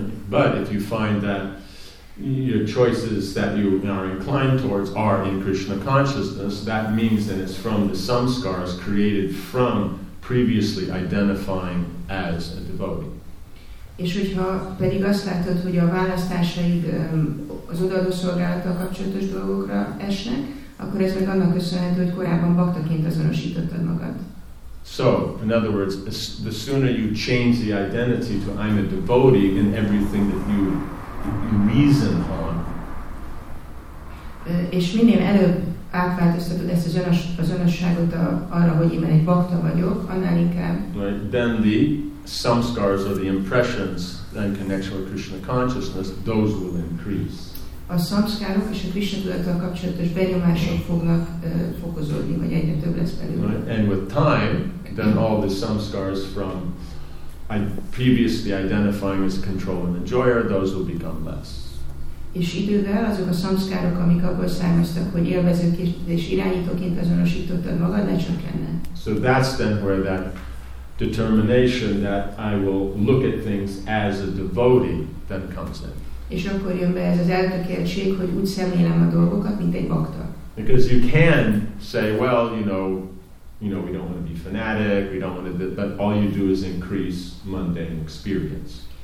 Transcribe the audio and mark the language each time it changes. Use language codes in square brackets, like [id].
[en] But if you find that your choices that you are inclined towards are in Krishna consciousness, that means that it's from the samskaras created from previously identifying as a devotee. [hu] És hogyha pedig azt látod, hogy a választásaid az odaadó szolgálattal kapcsolatos dolgokra esnek, akkor ez meg annak köszönhető, hogy korábban baktaként azonosítottad magad. [en] So, in other words, the sooner you change the identity to I'm a devotee in everything that you reason on. [hu] És minél előbb átváltoztatod ezt az önösságot arra, hogy én egy bakta vagyok, annál inkább. [en] Right. Then the samskaras or the impressions in connection with Krishna consciousness, those will increase. [hu] A samskarok és a Krishna tudattal kapcsolatos benyomások fognak fokozódni, vagy egyre több lesz belőle. [en] Right. And with time, then all the samskaras from previously identifying as control and enjoyer, those will become less. [hu] És idővel azok a szamszkárok, amik abból származtak, hogy élvezőként és irányítóként azonosítottad magad, ne csak lenne. [en] So that's then where that determination that I will look at things as a devotee then comes in. [hu] És akkor jön be ez az eltökéltség, hogy úgy szemlélem a dolgokat, mint egy bhakta. [en] Because you can say, well, you know, we don't want to be fanatic, we don't want to, but all you do is increase mundane experience.